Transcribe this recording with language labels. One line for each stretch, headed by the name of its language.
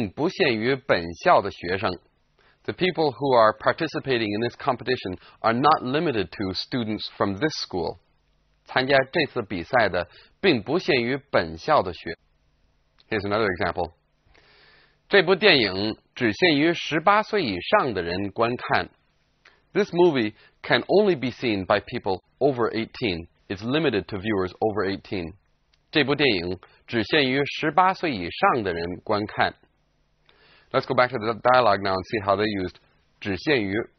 Chinese: 参加这次比赛的并不限于本校的学生.
English: The people who are participating in this competition are not limited to students from this school.
Chinese: 参加这次比赛的并不限于本校的学.
English: Here's another example.
Chinese: 这部电影只限于18岁以上的人观看.
English: This movie can only be seen by people over 18. It's limited to viewers over 18.
Chinese: 这部电影只限于18岁以上的人观看.
English: Let's go back to the dialogue now and see how they used 只限于.